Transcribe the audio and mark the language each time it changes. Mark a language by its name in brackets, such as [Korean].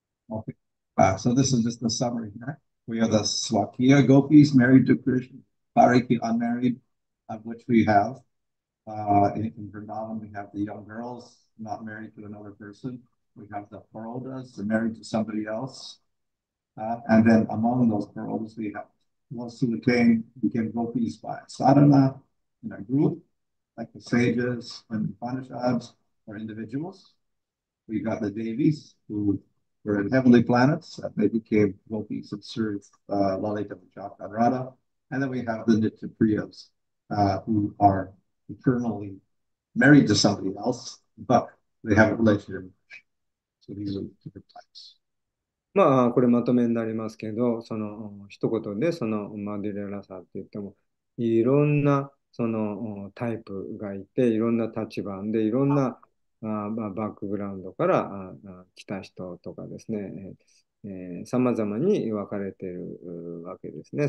[English] Okay. Wow. So this is just the summary, right? We are the Swakya gopis married to Krishna, Parikya unmarried, of which we have. In Vrindavan, we have the young girls not married to another person. We have the Parodas married to somebody else. And then among those Parodas, we have those who became gopis by sadhana in a group, like the sages and the Upanishads or individuals. We got the Devis who were in heavenly planets and they became gopis and served Lalita Vichaka and Radha. And then we have the Nitya Priyas who are eternally married to somebody else, but they have a relationship. So these are different types. [Japanese] まあ、これまとめになりますけど、その一言でそのマデュレラサって言っても、いろんなそのタイプがいて、いろんな立場で、いろんなバックグラウンドから来た人とかですね、さまざまに分かれているわけですね。